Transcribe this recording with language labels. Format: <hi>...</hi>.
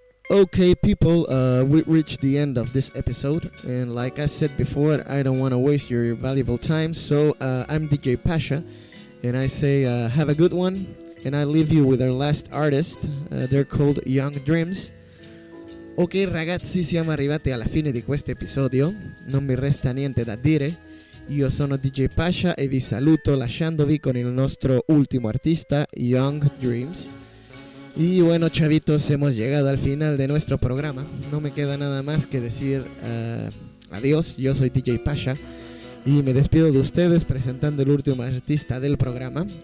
<en>Okay, people, we reached the end of this episode, and like I said before, I don't want to waste your valuable time, so I'm DJ Pasha, and I say have a good one, and I leave you with our last artist, they're called Young Dreams.</en> <it>Okay, ragazzi, siamo arrivati alla fine di questo episodio, non mi resta niente da dire, io sono DJ Pasha e vi saluto lasciandovi con il nostro ultimo artista, Young Dreams.</it> <es>Y bueno, chavitos, hemos llegado al final de nuestro programa. No me queda nada más que decir adiós. Yo soy DJ Pasha y me despido de ustedes presentando el último artista del programa.</es>